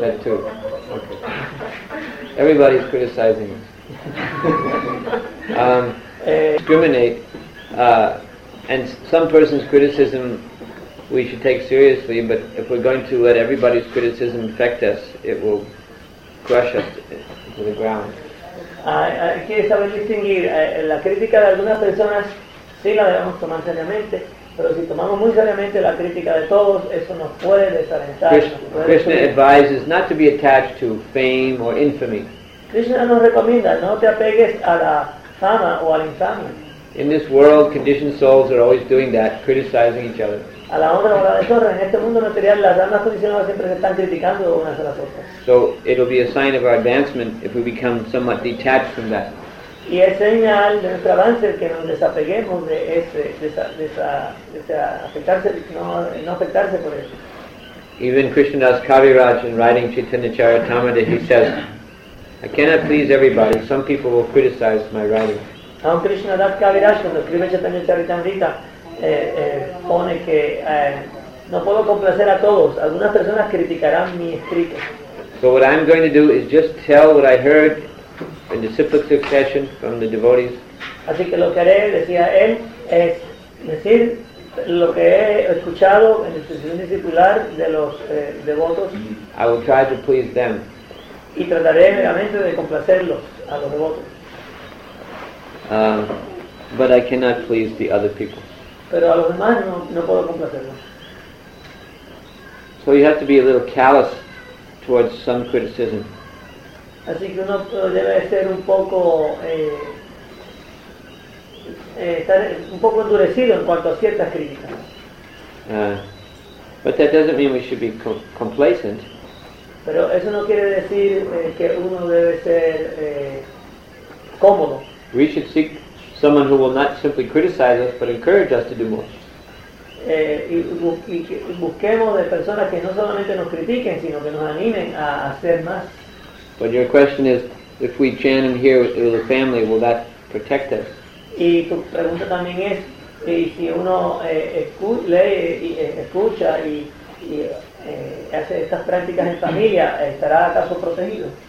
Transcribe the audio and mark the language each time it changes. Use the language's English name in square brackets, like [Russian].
[English] That too. Okay. Everybody is criticizing us. discriminate. And some person's criticism we should take seriously, but if we're going to let everybody's criticism affect us, it will crush us to the ground. [Spanish] Quiere saber distinguir la crítica de algunas personas, sí la debemos tomar seriamente, pero si tomamos muy seriamente la crítica de todos, eso nos puede desalentar. [English] Krishna advises not to be attached to fame or infamy. [Spanish] Krishna nos recomienda, no te apegues a la fama o al infamia. [English] In this world, conditioned souls are always doing that, criticizing each other. [Spanish] A la honra o a la deshonra, en este mundo material, las almas condicionadas siempre se están criticando unas a las otras. [English] So it'll be a sign of our advancement if we become somewhat detached from that. [Spanish] Y es señal de nuestro avance que nos desapeguemos de ese, de afectarse por eso. [English] Even Krishnadas Kaviraj, in writing Chaitanya Charitamrita, he says, I cannot please everybody. Some people will criticize my writing. [Spanish] Aun Krishnadas Kaviraj, cuando escribe Chaitanya Charitamrita, pone que no puedo complacer a todos. Algunas personas criticarán mi escrito. [English] So what I'm going to do is just tell what I heard in the cyclic succession from the devotees. [Spanish] Así que lo que haré, decía él, es decir lo que he escuchado en la sucesión discipular de los devotos. [English] I will try to please them. [Spanish] Y trataré realmente de complacerlos a los devotos. [English] But I cannot please the other people. [Spanish] Pero a los demás no puedo complacerlos. [English] So you have to be a little callous towards some criticism. [Spanish] Así que uno debe ser un poco estar un poco endurecido en cuanto a ciertas críticas. [English] But that doesn't mean we should be complacent. [Spanish] Pero eso no quiere decir que uno debe ser cómodo. [English] We should seek someone who will not simply criticize us but encourage us to do more. [Spanish] Y busquemos de personas que no solamente nos critiquen sino que nos animen a hacer más. [English] But your question is, if we chant in here with the family, will that protect us? [Spanish] Y tu pregunta también es que si uno escucha y hace estas prácticas en familia, ¿estará acaso protegido?